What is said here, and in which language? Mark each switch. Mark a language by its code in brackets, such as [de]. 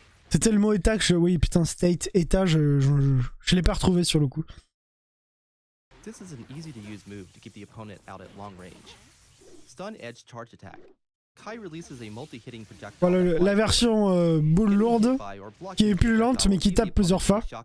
[fr] C'était le mot état que je... Oui putain, state, état, je l'ai pas retrouvé sur le coup. [en] This is an easy to use move to keep the opponent out at long range. Stun Edge Charge Attack. Kai releases a multi-hitting projectile. [fr] Voilà, la version boule lourde qui est plus lente mais qui tape plusieurs fois.